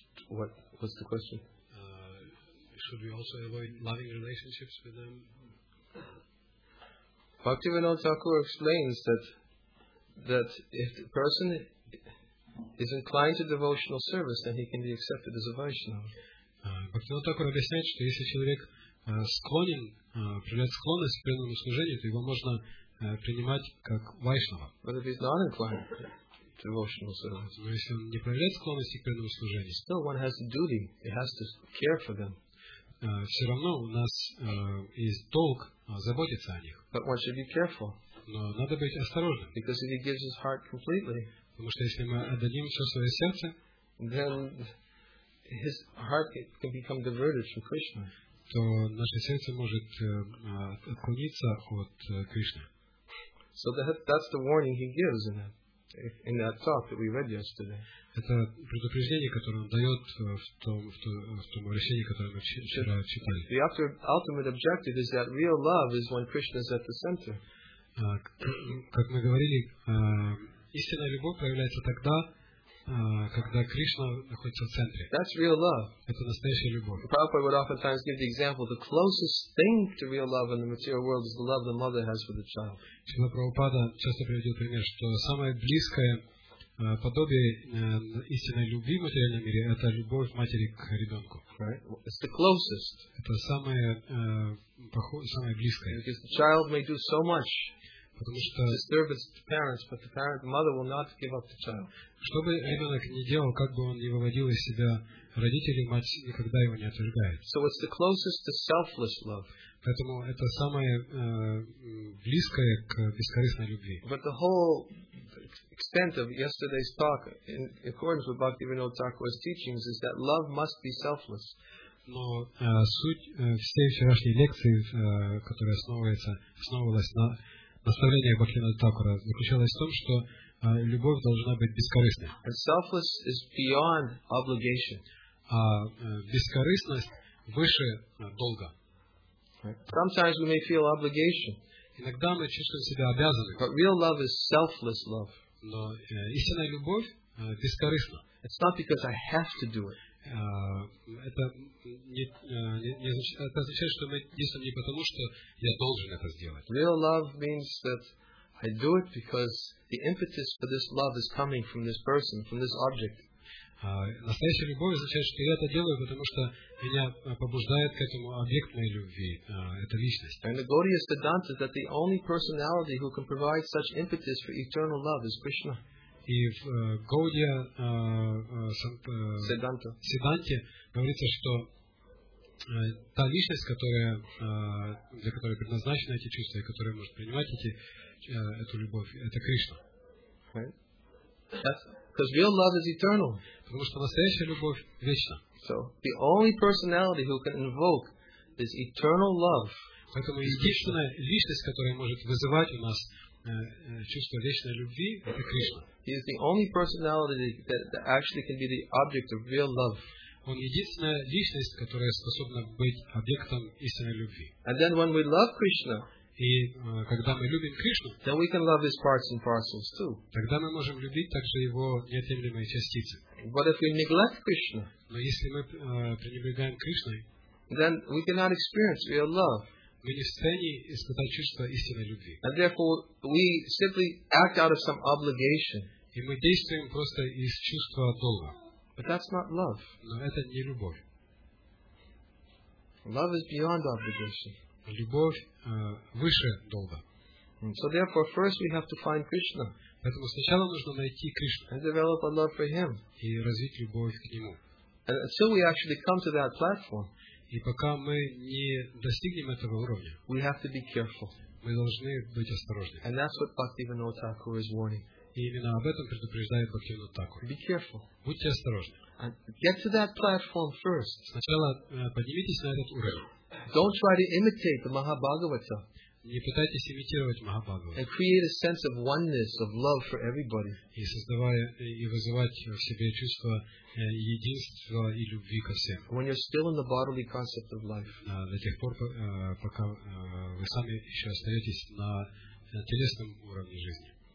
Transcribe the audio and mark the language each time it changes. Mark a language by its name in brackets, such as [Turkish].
[English] What's the question? Should we also avoid loving relationships with them? Bhaktivinoda Thakur explains that if the person is inclined to devotional service, then he can be accepted as a Vaishnava. [Russian] Бхактивинод Тхакур объясняет, что если человек склонен, проявляет склонность к преданному служению, то его можно принимать как вайшнава. Но если он не проявляет склонности к преданному служению, все равно у нас есть долг заботиться о них. Но надо быть осторожным. Потому что если мы отдадим все свое сердце, [English] his heart can become diverted from Krishna. [Russian] То наше сердце может отклониться от Кришны. [English] So that's the warning he gives in that talk that we read yesterday. [Russian] Это предупреждение, которое он дает в том решении, которое мы вчера читали. [English] The ultimate objective is that real love is when Krishna is at the center. [Russian] Как мы говорили, истинная любовь проявляется тогда, когда Кришна находится в центре. [English] That's real love. [Russian] Это настоящая любовь. [English] The Prabhupada would oftentimes give the example: the closest thing to real love in the material world is the love the mother has for the child. [Russian] Шрила Прабхупада часто приводил пример, что самое близкое подобие истинной любви в материальном мире – это любовь матери к ребенку. [English] Right. It's the closest. [Russian] Это самое самое близкое. [English] Because the child may do so much. [Russian] Потому что [English] disturb its parents, but the parent, the mother will not give up the child. [Russian] Что бы ребенок ни делал, как бы он ни выводил из себя родителей, мать никогда его не отвергает. [English] So it's the closest to selfless love. [Russian] Поэтому это самое близкое к бескорыстной любви. [English] But the whole extent of yesterday's talk, in accordance with Bhaktivinoda Thakur's teachings, is that love must be selfless. [Russian] Но суть всей вчерашней лекции, которая основывалась на наставление Бхактивинода Такура, заключалось в том, что любовь должна быть бескорыстной. [English] And selfless is beyond obligation. [Russian] А бескорыстность выше долга. [English] Sometimes we may feel obligation. [Russian] Иногда мы чувствуем себя обязанными. [English] But real love is selfless love. [Russian] Но истинная любовь бескорыстна. [English] It's not because I have to do it. [Russian] Это означает, что мы действуем не потому, что я должен это сделать. [English] Real love means that I do it because the impetus for this love is coming from this person, from this object. [Russian] Настоящая любовь означает, что я это делаю, потому что меня побуждает к этому объект моей любви, эта личность. [English] And the Gaudiya Siddhanta that the only personality who can provide such impetus for eternal love is Krishna. [Russian] И в Гаудия Сиддханте говорится, что та личность, которая, для которой предназначены эти чувства, и которая может принимать эту любовь, это Кришна. [English] Because real love is eternal. [Russian] Потому что настоящая любовь вечна. [English] So the only personality who can invoke this eternal love. [Russian] Поэтому единственная личность, которая может вызывать у нас чувство вечной любви, это Кришна. [English] He is the only personality that actually can be the object of real love. [Russian] Он единственная личность, которая способна быть объектом истинной любви. [English] And then when we love Krishna. [Russian] И когда мы любим Кришну, [English] then we can love his parts and parcels too. [Russian] Тогда мы можем любить также его неотъемлемые частицы. [English] But if we neglect Krishna, [Russian] но если мы пренебрегаем Кришной, [English] then we cannot experience real love. [Russian] Мы не в состоянии испытать чувство истинной любви. [English] And therefore we simply act out of some obligation. [Russian] И мы действуем просто из чувства долга. [English] But that's not love. [Russian] Но это не любовь. [English] Love is beyond obligation. [Russian] Любовь выше долга. [English] So therefore, first we have to find Krishna. [Russian] Поэтому сначала нужно найти Кришну. [English] And develop a love for him. [Russian] И развить любовь к нему. [English] And until we actually come to that platform, [Russian] и пока мы не достигнем этого уровня, [English] we have to be careful. [Russian] Мы должны быть осторожны. [English] And that's what Bhaktivinoda Thakur is warning. [Russian] И именно об этом предупреждает Бхактивинода Такур. [English] Be careful. [Russian] Будьте осторожны. [English] And get to that platform first. [Russian] Сначала поднимитесь на этот уровень. [English] Don't try to imitate the Mahabhagavata. [Russian] Не пытайтесь имитировать Махабхагавату. [English] And create a sense of oneness, of love for everybody. [Russian] И создавая и вызывать в себе чувство единства и любви ко всем. [English] When you're still in the bodily concept of life. [Russian] До тех пор, пока вы сами еще остаетесь на телесном уровне жизни.